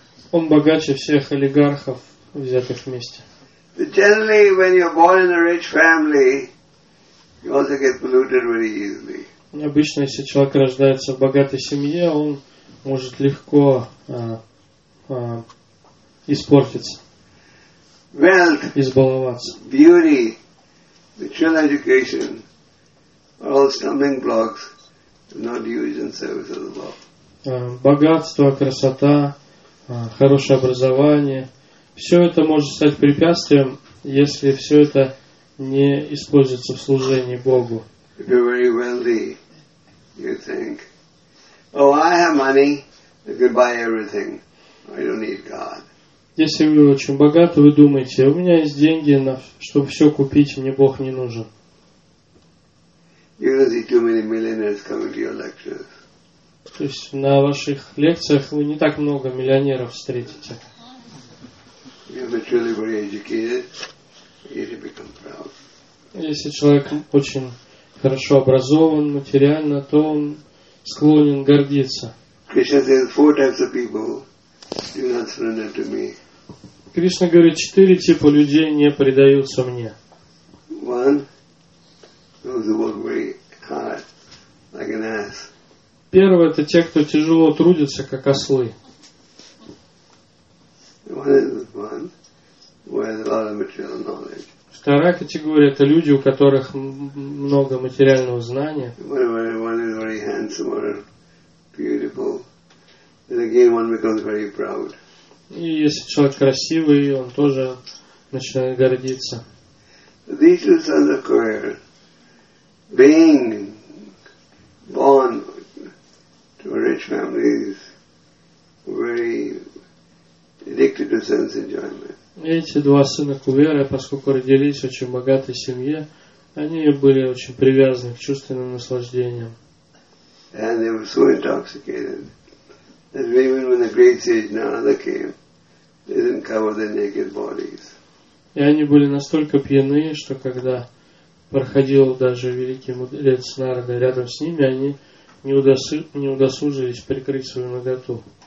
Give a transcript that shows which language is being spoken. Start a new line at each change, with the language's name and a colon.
Russian: Он богаче всех олигархов, взятых вместе.
English: Generally, when you're born in a rich family, you also get polluted very easily.
Russian: Обычно, если человек рождается в богатой семье, он может легко испортиться,
English: wealth,
Russian: избаловаться.
English: Beauty, mature education are all stumbling blocks not used in service of the Lord.
Russian: Богатство, красота, хорошее образование. Все это может стать препятствием, если все это не используется в служении Богу.
English: If you're very wealthy, you think, oh, I have money, I could buy everything. I don't need God.
Russian: Если вы очень богаты, вы думаете, у меня есть деньги, чтобы все купить, мне Бог не нужен.
English: You don't see too many millionaires coming to your lectures.
Russian: То есть на ваших лекциях вы не так много миллионеров встретите.
English: You're truly very educated, you become proud.
Russian: Если человек очень хорошо образован материально, то он склонен гордиться.
English: Krishna says four types of people do not surrender to me.
Russian: Кришна говорит, четыре типа людей не предаются мне.
English: One, those who work very hard, like an ass.
Russian: Первое, это те, кто тяжело трудится, как ослы.
English: One is one who has a lot of material knowledge.
Russian: Вторая категория – это люди, у которых много материального знания.
English: One is very handsome or beautiful. Then again, one becomes very proud.
Russian: И если человек красивый, он тоже начинает гордиться.
English: These two sons of Kuvera, being born to a rich family, is very addicted to sense enjoyment.
Russian: Эти два сына Кувера, поскольку родились в очень богатой семье, они были очень привязаны к чувственным наслаждениям.
English: And they were so intoxicated that even when the great sage Narada came, they didn't cover their naked bodies.
Russian: И они были настолько пьяны, что когда проходил даже великий мудрец Нарада рядом с ними, они не удосужились прикрыть свою наготу.